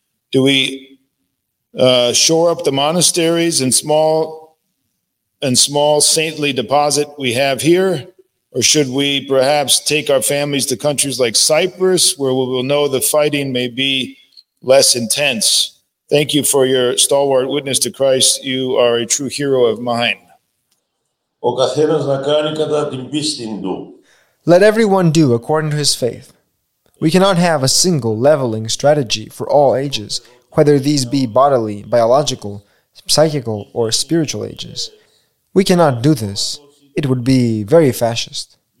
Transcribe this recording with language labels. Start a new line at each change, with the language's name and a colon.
English: Do we shore up the monasteries and small saintly deposit we have here? Or should we perhaps take our families to countries like Cyprus, where we will know the fighting may be less intense? Thank you for your stalwart witness to Christ. You are a true hero of mine.
Greek: Ο καθένας να κάνει κατά την πίστη του.
English: Let everyone do according to his faith. We cannot have a single leveling strategy for all ages, whether these be bodily, biological, psychical, or spiritual ages. We cannot do this. It would be very fascist.